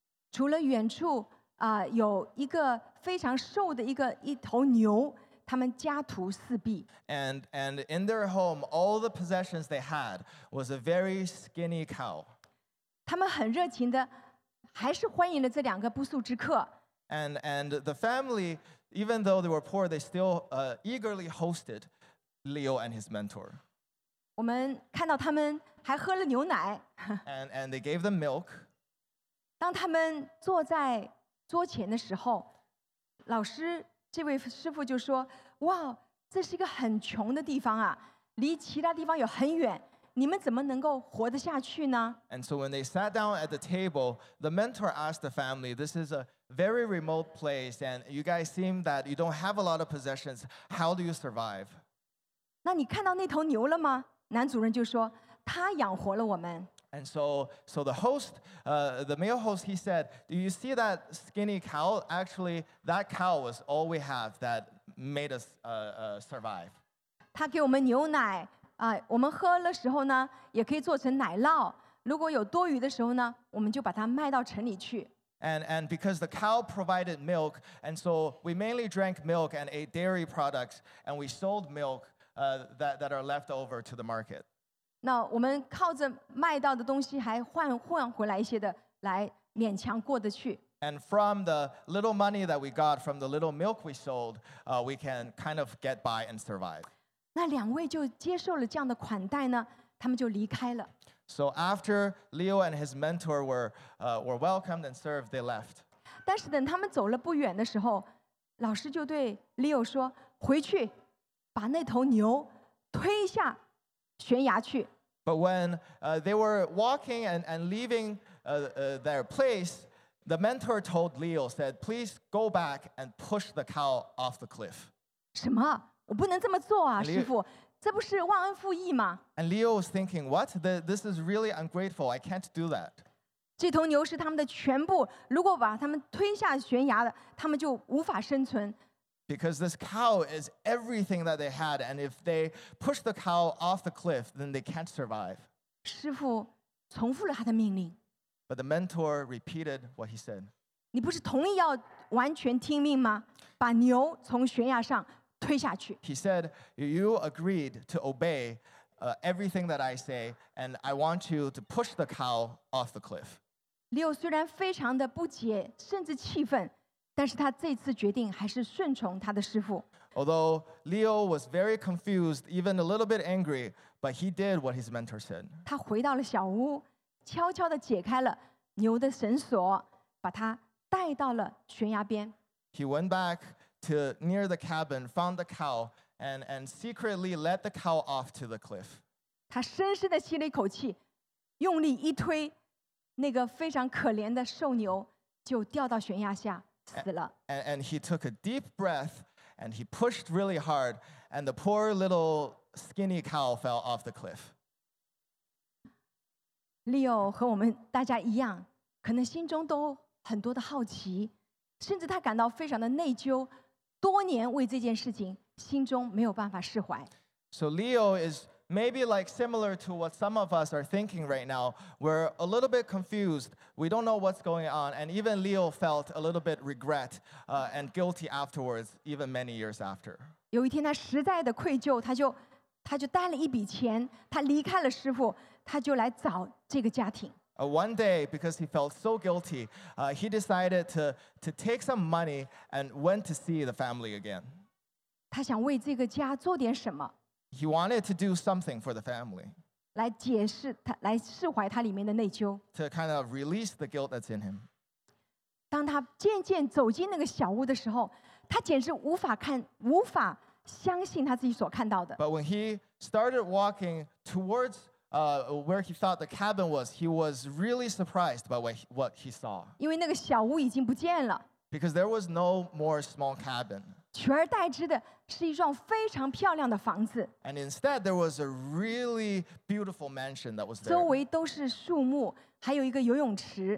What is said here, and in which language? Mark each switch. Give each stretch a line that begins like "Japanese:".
Chinese: 除了远处有一个非常瘦的一头牛，他们家徒四壁。
English: And in their home, all the possessions they had was a very skinny cow.
Chinese: 他们很热情的，还是欢迎了这两个不速之客。
English: And the family, even though they were poor, they still eagerly hosted Leo and his mentor.
Chinese: 我们看到他们还喝了牛奶。
English: And they gave them milk.
Chinese: 当他们坐在桌前的时候，老师，这位师父就说，哇，这是一个很穷的地方啊，离其他地方有很远，你们怎么能够活得下去呢？
English: And so when they sat down at the table, the mentor asked the family, this is a very remote place, and you guys seem that you don't have a lot of possessions. How do you survive?
Chinese: 那你看到那头牛了吗？男主人就说，他养活了我们。
English: And so the host, the male host, he said, "Do you see that skinny cow? Actually, that cow was all we have that made us survive."
Chinese: 他给我们牛奶，我们喝了时候呢，也可以做成奶酪。如果有多余的时候呢，我们就把它卖到城里去。
English: And because the cow provided milk, and so we mainly drank milk and ate dairy products, and we sold milk that are left over to the market.
Chinese: 那我们靠着卖到的东西还换回来一些的来勉强过得去。
English: And from the little money that we got from the little milk we sold, we can kind of get by and survive.
Chinese: 那两位就接受了这样的款待呢，他们就离开了。
English: So after Leo and his mentor were welcomed and served, they left.
Chinese: 但是等他们走了不远的时候，老师就对Leo说：“回去，把那头牛推下悬崖去。”
English: But when they were walking and leaving their place, the mentor told Leo, said, "Please go back and push the cow off the cliff."
Chinese: 什么？我不能这么做啊，师傅。
English: And Leo was thinking, what? This is really ungrateful. I can't do that.
Chinese: 这头牛是他们的全部,如果把他们推下悬崖的,他们就无法生存。
English: Because this cow is everything that they had, and if they push the cow off the cliff, then they can't survive.
Chinese: 师父重复了他的命令。
English: But the mentor repeated what he said.
Chinese: 你不是同意要完全听命吗?把牛从悬崖上。
English: He said, "You agreed to obey everything that I say, and I want you to push the cow off the cliff."
Chinese: Leo 虽然非常的不解，甚至气愤，但是他这次决定还是顺从他的师父。
English: Although Leo was very confused, even a little bit angry, but he did what his mentor said.
Chinese: 他回到了小屋，悄悄地解开了牛的绳索，把它带到了悬崖边。
English: He went back to near the cabin, found the cow, and secretly let the cow off to the cliff.
Chinese: 他深深地吸了一口气，用力一推，那个非常可怜的瘦牛就掉到悬崖下死了。
English: And he took a deep breath, and he pushed really hard, and the poor little skinny cow fell off the cliff.
Chinese: Leo和我们大家一样，可能心中都很多的好奇，甚至他感到非常的内疚。
English: So Leo is maybe like similar to what some of us are thinking right now. We're a little bit confused. We don't know what's going on. And even Leo felt a little bit regret and guilty afterwards, even many years after.
Chinese: 有一天他实在的愧疚，他就带了一笔钱，他离开了师父，他就来找这个家庭。
English: One day, because he felt so guilty, he decided to take some money and went to see the family again. He wanted to do something for the family.
Chinese: 来释怀他里面的内疚,
English: to kind of release the guilt that's in him.
Chinese: 当他渐渐走进那个小屋的时候，他简直无法相信他自己所看到的。
English: But when he started walking towards where he thought the cabin was, he was really surprised by what he saw. Because there was no more small cabin. And instead, there was a really beautiful mansion that was there.